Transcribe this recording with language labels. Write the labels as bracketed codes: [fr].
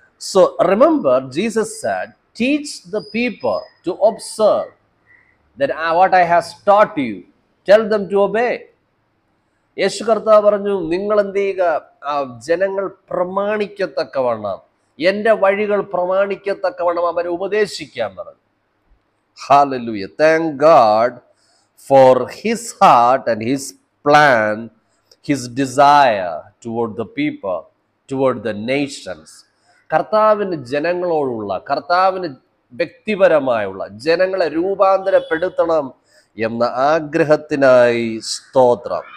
[en] So remember Jesus said teach the people to observe that what I has taught you tell them to obey. [ml] യേശു കർത്താവ് പറഞ്ഞു, നിങ്ങൾ എന്ത് ചെയ്യുക, ജനങ്ങൾ പ്രമാണിക്കത്തക്കവണ്ണം, എൻ്റെ വഴികൾ പ്രമാണിക്കത്തക്കവണ്ണം അവരെ ഉപദേശിക്കാൻ പറഞ്ഞു. [en] Hallelujah, thank God for his heart and his plan, his desire toward the people, toward the nations. [ml] കർത്താവിന് ജനങ്ങളോടുള്ള, കർത്താവിന് വ്യക്തിപരമായുള്ള, ജനങ്ങളെ രൂപാന്തരപ്പെടുത്തണം എന്ന ആഗ്രഹത്തിനായി സ്തോത്രം.